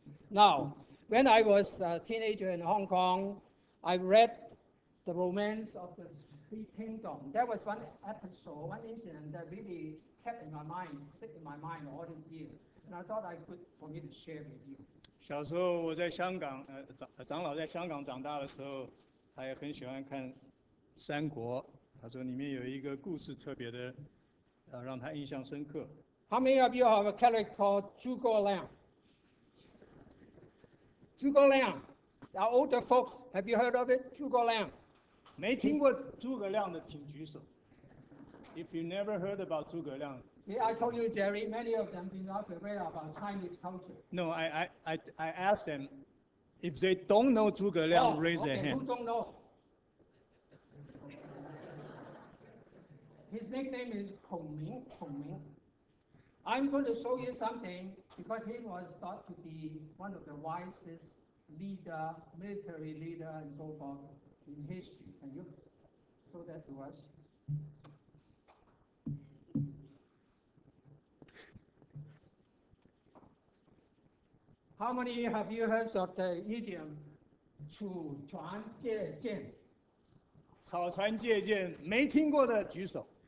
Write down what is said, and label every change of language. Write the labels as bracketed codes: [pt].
[en] Now, when I was a teenager in Hong Kong, I read The Romance of the Three Kingdoms. That was one episode, one incident that really kept in my mind, stuck in my mind all these years. And I thought I could, for me to share with you. [zh] 小时候我在香港，长老在香港长大的时候，他也很喜欢看三国。他说里面有一个故事特别的让他印象深刻。 [en] How many of you have a character called Zhuge Liang? Zhuge Liang, our older folks, have you heard of it? Zhuge Liang. [zh] 没听过诸葛亮的请举手。 [en] If you never heard about Zhuge Liang. See, I told you, Jerry, many of them are not familiar about Chinese culture. No, I asked them, if they don't know Zhuge Liang, raise their hand. Who don't know? His nickname is Kong Ming. I'm going to show you something because he was thought to be one of the wisest leader, military leader, and so forth in history. Can you show that to us? How many have you heard of the idiom, [zh] 楚船借箭？草船借箭，没听过的举手。